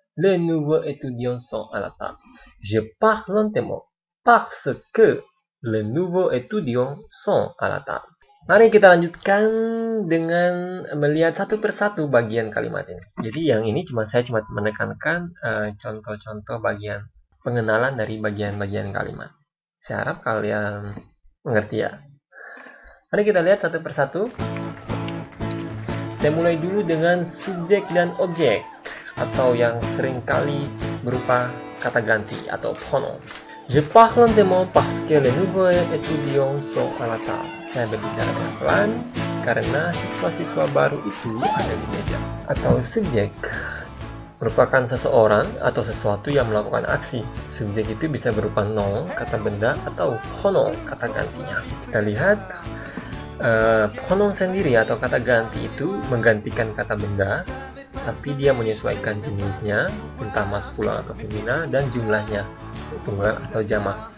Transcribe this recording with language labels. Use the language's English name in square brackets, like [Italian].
[French] Le nouveau étudiant sont à la table. Je parle lentement parce que le nouveau étudiant sont à la table. [Indonesian] Mari kita lanjutkan dengan melihat satu persatu bagian kalimat ini. Jadi yang ini cuma saya cuma menekankan contoh-contoh bagian pengenalan dari bagian-bagian kalimat. Saya harap kalian mengerti ya. Mari kita lihat satu persatu. Saya mulai dulu dengan subjek dan objek atau yang seringkali berupa kata ganti atau pronom. [French] Je parle lentement parce que les nouveaux étudiants sont à la table. [Indonesian] Saya berbicara pelan karena siswa-siswa baru itu ada di meja. Atau subjek merupakan seseorang atau sesuatu yang melakukan aksi. Subjek itu bisa berupa nom, kata benda, atau pronom, kata gantinya. Kita lihat pronom sendiri atau kata ganti itu menggantikan kata benda, tapi dia menyesuaikan jenisnya, entah maskulin atau feminin, dan jumlahnya, tunggal atau jamak.